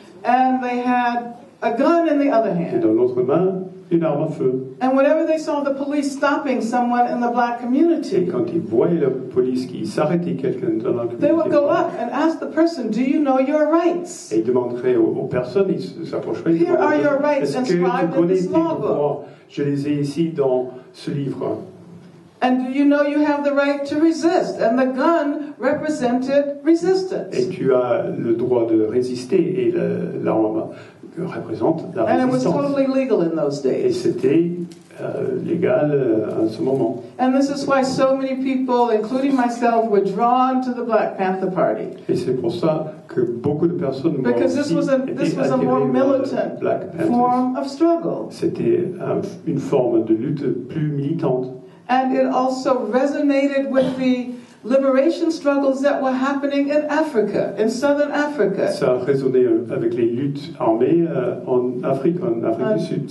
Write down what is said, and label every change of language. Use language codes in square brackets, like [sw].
[en] And they had a gun in the other hand. [fr] Et dans l'autre main, une arme à feu. [en] And whenever they saw the police stopping someone in the black community, [fr] et quand ils voyaient la police qui s'arrêtait quelqu'un dans la communauté, [en] they would go up and ask the person, "Do you know your rights?" [fr] Et ils demanderaient aux personnes, ils s'approcheraient. [en] Here are your rights inscribed in this law book. [fr] Je les ai ici dans ce livre. [en] And you know you have the right to resist, and the gun represented resistance. [fr] Et tu as le droit de résister, et l'arme que représente la résistance. [en] And it was totally legal in those days. [fr] Et c'était légal à ce moment. [en] And this is why so many people, including myself, were drawn to the Black Panther Party. [fr] Et c'est pour ça que beaucoup de personnes m'ont aussi été attirées par les Black Panthers. [en] Because this was a more militant form of struggle. [fr] C'était une forme de lutte plus militante. [en] And it also resonated with the liberation struggles that were happening in Africa, in southern Africa. [fr] Ça a résonné avec les luttes armées en Afrique, en Afrique du Sud.